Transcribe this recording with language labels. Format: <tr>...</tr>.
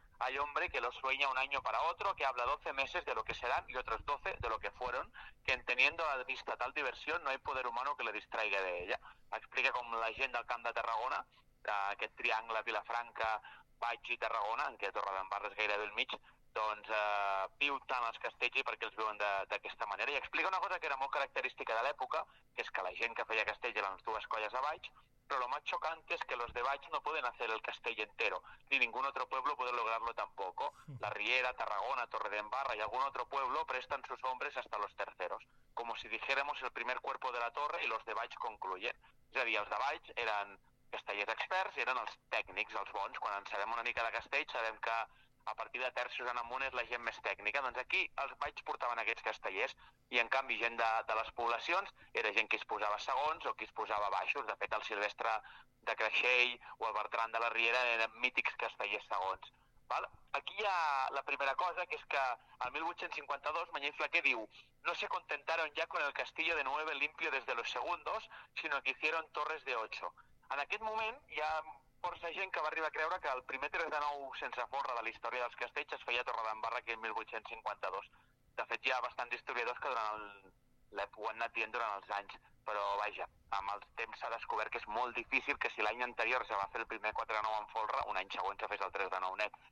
<es>Hay hombre que lo sueña un año para otro, que habla 12 meses de lo que serán y otros 12 de lo que fueron, que en teniendo a vista tal diversión no hay poder humano que le distraiga de ella.</es> <ca>Explica com la gent del Camp de Tarragona, aquest triangle Vilafranca, Baix i Tarragona, en què Torredembarra és gairebé al mig, doncs viu tant els castells i perquè els viuen d'aquesta manera. I explica una cosa que era molt característica de l'època, que és que la gent que feia castells eren les dues colles de Baix, però</ca> <es>lo más chocante es que los de Baix no pueden hacer el castell entero, ni ningún otro pueblo puede lograrlo tampoco. La Riera, Tarragona, Torredembarra y algún otro pueblo prestan sus hombres hasta los terceros, como si dijéramos el primer cuerpo de la torre y los de Baix concluyen.</es> <ca>És a dir, els de Baix eren castellers experts i eren els tècnics, els bons. Quan en sabem una mica de castell, sabem que a partir de terços en amunt és la gent més tècnica. Doncs aquí els Baix portaven aquests castellers i, en canvi, gent de les poblacions era gent que es posava segons o que es posava baixos. De fet, el Silvestre de Creixell o el Bertran de la Riera eren mítics castellers segons. Val? Aquí hi ha la primera cosa, que és que el 1852 Mañé i Flaquer diu</ca> <es>«No se contentaron ya con el castillo de nueve limpio desde los segundos, sino que hicieron torres de ocho».</es> <ca>En aquest moment hi ha... força gent que va arribar a creure que el primer 3 de 9 sense forra de la història dels castells es feia a Torredembarra aquí el 1852. De fet, hi ha bastants historiadors que ho han anat dient durant els anys, però vaja, amb el temps s'ha descobert que és molt difícil que si l'any anterior se va fer el primer 4 de 9 amb forra, un any següent se fes el 3 de 9 net.</ca>